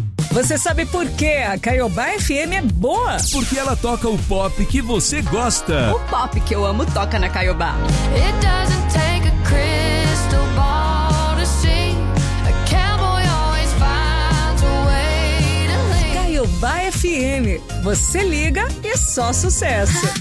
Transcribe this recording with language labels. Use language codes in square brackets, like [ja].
[pt] Você sabe por que a Caiobá FM é boa? Porque ela toca o pop que você gosta. O pop que eu amo toca na Caiobá. [en] It doesn't take a crystal ball to see. A cowboy always finds a way to leave. [pt] Caiobá FM, você liga e é só sucesso.